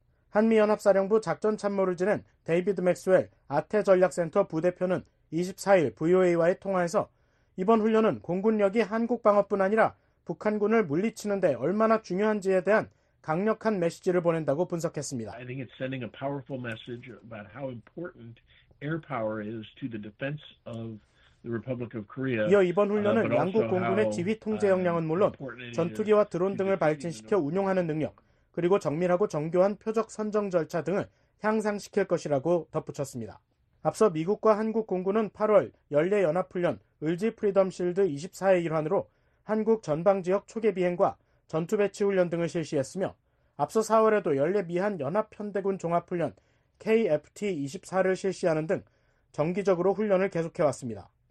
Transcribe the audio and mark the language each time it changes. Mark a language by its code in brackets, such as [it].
[ko] 한미연합사령부 작전참모를 지낸 데이비드 맥스웰 아태전략센터 부대표는 24일 VOA와의 통화에서 이번 훈련은 공군력이 한국 방어뿐 아니라 북한군을 물리치는 데 얼마나 중요한지에 대한 강력한 메시지를 보낸다고 분석했습니다. [en] I think it's sending a powerful message about how important air power is to the defense of the Republic of Korea. [ko] 이어 이번 훈련은 양국 공군의 지휘 통제 역량은 물론 전투기와 드론 등을 발진시켜 운용하는 능력, 그리고 정밀하고 정교한 표적 선정 절차 등을 향상시킬 것이라고 덧붙였습니다. 앞서 미국과 한국 공군은 8월 연례 연합 훈련 을지 프리덤 실드 24의 일환으로 한국 전방 지역 초계 비행과 전투 배치 훈련 등을 실시했으며 앞서 4월에도 연례 미한 연합현대군 종합훈련 KFT-24를 실시하는 등 정기적으로 훈련을 계속해왔습니다.